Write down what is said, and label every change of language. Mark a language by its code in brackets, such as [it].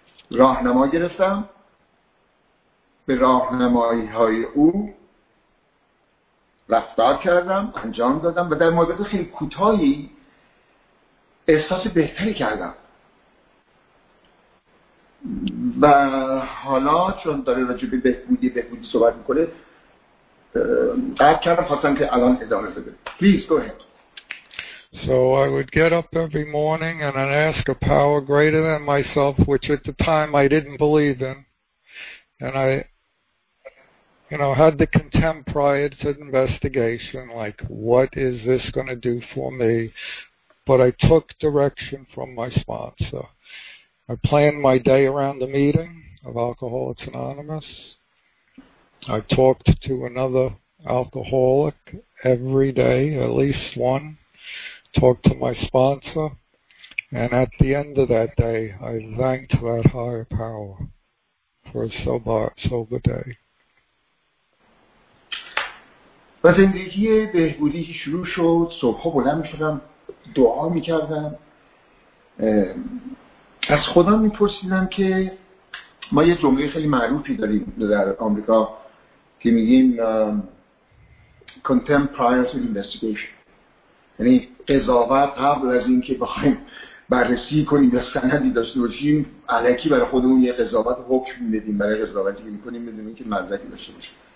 [fa] راهنما گرفتم، به راهنمایی های او رفتار کردم، انجام دادم و در مدت خیلی کوتاهی احساس بهتری کردم و حالا چون داره راجع به بهبودی صحبت میکنه قرار کردم خواستم که الان ادامه بده. [en] Please go ahead. So I would get up every morning and I'd ask a power greater than myself, which at the time I didn't believe in, and I, you know, had the contempt prior to the investigation, like, what is this going to do for me? but I took direction from my sponsor. I planned my day around the meeting of Alcoholics Anonymous. I talked to another alcoholic every day, at least one. Talked to my sponsor. And at the end of that day, I thanked that higher power for a sober day. [fa] و زندگی بهبودی که شروع شد، صبح ها بلند می شدم، دعا می کردم، از خدا می پرسیدم که ما یه جمله خیلی معروفی داریم در آمریکا که میگیم [en] contempt prior to investigation، [fa] یعنی قضاوت قبل از این که بخوایم بررسی کنیم یا سندی داشته باشیم، علکی برای خودمون یه قضاوت حکم می دیم، برای قضاوتی که می کنیم می دونیم که مزدکی داشته باشیم.